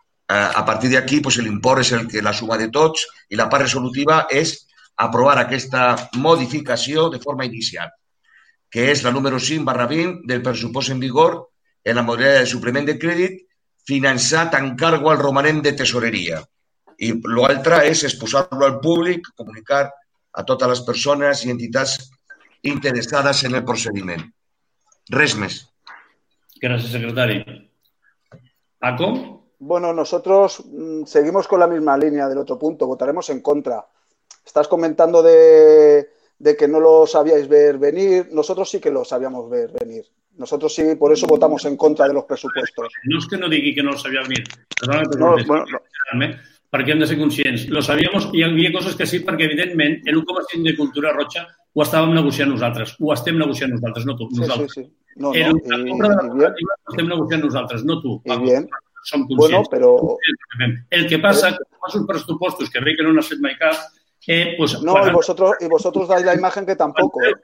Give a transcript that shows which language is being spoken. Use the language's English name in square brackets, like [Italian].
[Catalan] A partir d'aquí, pues, l'import és el que la suma de tots i la part resolutiva és aprovar aquesta modificació de forma inicial, que és la número 5/20 del pressupost en vigor en la modalitat de suplement de crèdit finançat en cargo al romanent de tesoreria. I l'altre és exposar-lo al públic, comunicar a totes les persones i entitats interessades en el procediment. Res més. Gràcies, secretari. Paco? [Spanish] Bueno, nosotros seguimos con la misma línea del otro punto. Votaremos en contra. Estás comentando de que no lo sabíais ver venir, nosotros sí que lo sabíamos ver venir. Nosotros sí, por eso votamos en contra de los presupuestos. No es que no [Catalan] digui [Spanish] que no lo sabía venir, perdona, no, bueno, [Catalan] perquè hem de ser conscients. [Spanish] Lo sabíamos [Catalan] i hi havia coses que sí, perquè evidentment el 1,5 de Cultura Roja ho estàvem negociant nosaltres, ho estem negociant nosaltres, no tu, nosaltres. Sí. No, la compra de la cultura ho estem negociant nosaltres, no tu. [Spanish] I bien. [Catalan] Som conscients. Bueno, però... El que passa, que els pressupostos, que bé que no n'has fet mai cap, pues, no, quan... [Spanish] i vosotros dais la imagen que tampoco.